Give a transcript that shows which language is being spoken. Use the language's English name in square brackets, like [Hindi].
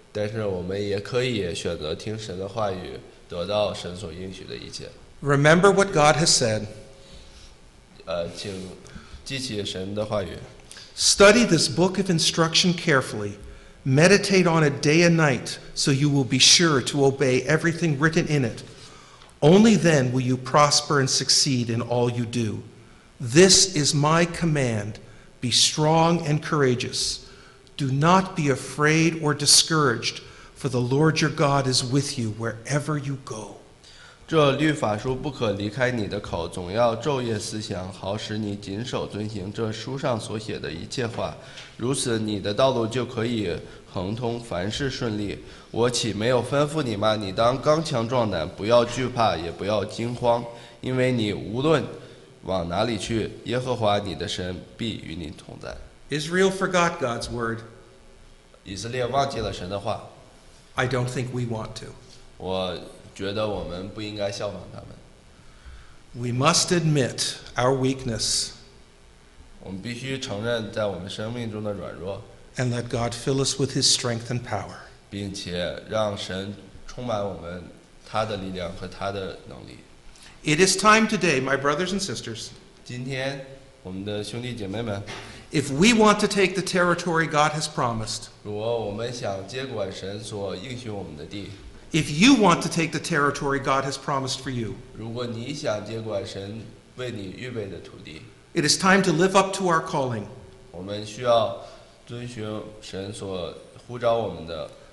[Chinese] 但是我们也可以选择听神的话语，得到神所应许的一切。 [English] Remember what God has said. [Chinese] 请记起神的话语。 [English] Study this book of instruction carefully, Meditate on it day and night, so you will be sure to obey everything written in it. Only then will you prosper and succeed in all you do. This is my command. Be strong and courageous. Do not be afraid or discouraged, for the Lord your God is with you wherever you go. [Chinese] 这律法书不可离开你的口，总要昼夜思想，好使你谨守遵行这书上所写的一切话。如此，你的道路就可以亨通，凡事顺利。我岂没有吩咐你吗？你当刚强壮胆，不要惧怕，也不要惊慌，因为你无论往哪里去，耶和华你的神必与你同在。 [English] Israel forgot God's word. [Chinese] 以色列忘记了神的话。 [English] I don't think we want to. [Chinese] 我觉得我们不应该效仿他们。 [English] We must admit our weakness. [Chinese] 我们必须承认在我们生命中的软弱。 [English] And let God fill us with His strength and power. [Chinese] 并且让神充满我们他的力量和他的能力。 [English] It is time today, my brothers and sisters. [Chinese] 今天，我们的兄弟姐妹们。 [English] If we want to take the territory God has promised. [Chinese] 如果我们想接管神所应许我们的地。 [English] If you want to take the territory God has promised for you. [Chinese] 如果你想接管神为你预备的土地。 [English] It is time to live up to our calling. [Chinese] 我们需要遵循神所呼召我们的。